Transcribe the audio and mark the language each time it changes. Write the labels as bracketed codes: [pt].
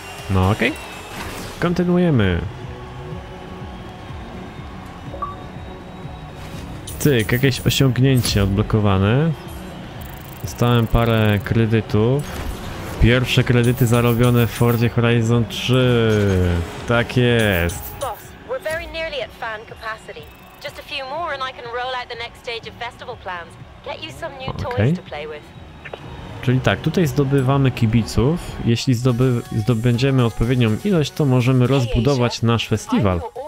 [pl] No okej. Kontynuujemy. Cyk, jakieś osiągnięcie odblokowane. Dostałem parę kredytów. Pierwsze kredyty zarobione w Fordzie Horizon 3. Tak jest. [en] Boss, we're very nearly at fan capacity. Just a few more and I can roll out the next stage of festival plans. Get you some new toys to play with. [pl] Czyli tak, tutaj zdobywamy kibiców. Jeśli zdobędziemy odpowiednią ilość, to możemy rozbudować nasz festiwal.